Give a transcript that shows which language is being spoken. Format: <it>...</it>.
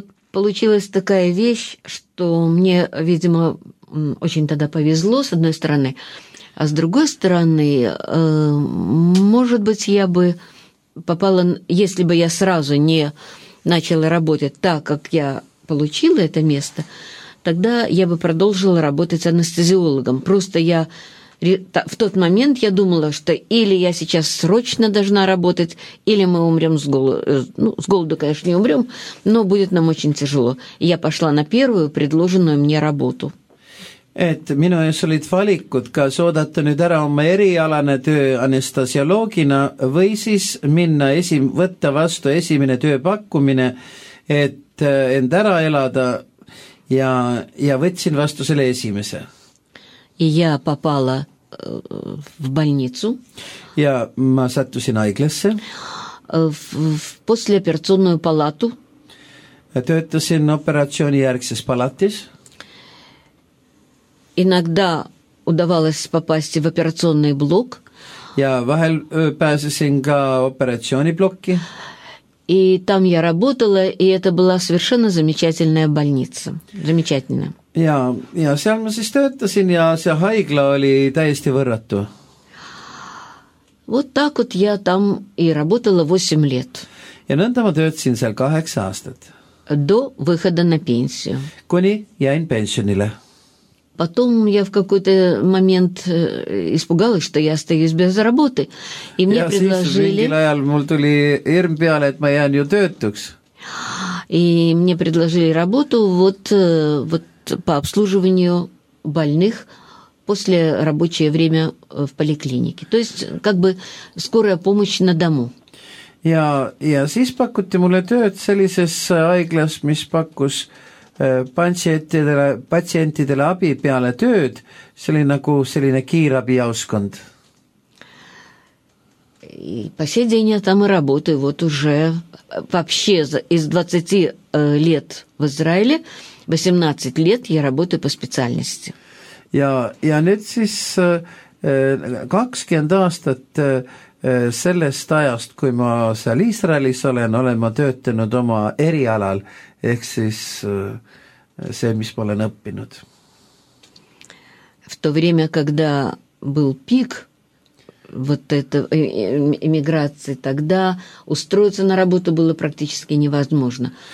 <ru>Получилась такая вещь, что мне, видимо, очень тогда повезло, с одной стороны, а с другой стороны, может быть, я бы попала, если бы я сразу не начала работать так, как я получила это место, тогда я бы продолжила работать анестезиологом. Просто я в тот момент я думала, что или я сейчас срочно должна работать, или мы умрем с голоду. Ну, с голоду, конечно, не умрем, но будет нам очень тяжело. Я пошла на первую предложенную мне работу.</ru> <et>Minu ees olid valikud, kas oodata nüüd ära oma erialane töö anestesioloogina või siis minna võtta vastu esimene tööpakkumine, et end ära elada ja võtsin vastu selle esimese.</et> <ru>Я попала в больницу. Я</ru> <et>ma sattusin haiglasse.</et> <ru>В послеоперационную палату.</ru> <et>Töötasin operatsiooni järgses palatis.</et> <ru>Иногда удавалось попасть в операционный блок.</ru> <et>Ja vahel pääsesin ka operatsiooni blokki.</et> <ru>И там я работала, и это была совершенно замечательная больница. Замечательная.</ru> <et>Ja seal ma siis töötasin ja see haigla oli täiesti võrratu.</et> <ru>Вот так вот я там и работала 8 лет.</ru> <et>Ja nõnda ma töötasin seal 8 aastat.</et> <ru>До выхода на пенсию.</ru> <et>Kuni jäin pensionile.</et> <ru>Потом я в какой-то момент испугалась, что я остаюсь без работы. И мне предложили...</ru> <et>Ja siis mul tuli hirm peale, et ma jään ju töötuks.</et> <ru>И мне предложили работу вот по обслуживанию больных после рабочее время в поликлинике. То есть, как бы, скорая помощь на дому.</ru> <et>Ja siis pakuti mulle tööd sellises haiglas, mis pakkus patsientidele abi peale tööd. See oli nagu selline kiirabi jaoskond.</et> <ru>И по сей день я там и работаю. Вот уже вообще из 20 лет в Израиле 18 лет я работаю по специальности.</ru> <et>Ja nüüd siis 20 aastat sellest ajast, kui ma seal Israelis olen ma töötanud oma erialal, ehk siis see, mis ma olen õppinud.</et> <ru>В то время, когда был пик вот это эмиграции, тогда устроиться на работу было практически невозможно.</ru>